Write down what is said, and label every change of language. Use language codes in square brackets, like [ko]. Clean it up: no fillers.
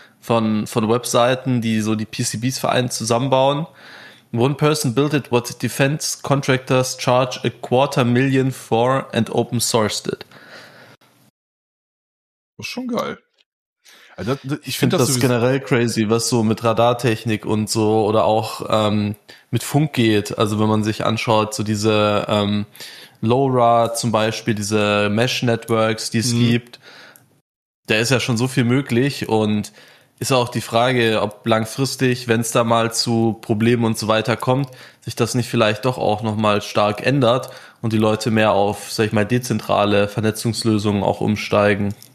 [de] Von Webseiten, die so die PCBs für einen zusammenbauen. [en] One person built it, what defense contractors charge $250,000 for and open sourced it. [de] Das ist schon geil. Also ich finde das generell crazy, was so mit Radartechnik und so oder auch mit Funk geht. Also wenn man sich anschaut, so diese LoRa zum Beispiel, diese Mesh-Networks, die es gibt, da ist ja schon so viel möglich und ist auch die Frage, ob langfristig, wenn es da mal zu Problemen und so weiter kommt, sich das nicht vielleicht doch auch nochmal stark ändert und die Leute mehr auf, sag ich mal, dezentrale Vernetzungslösungen auch umsteigen.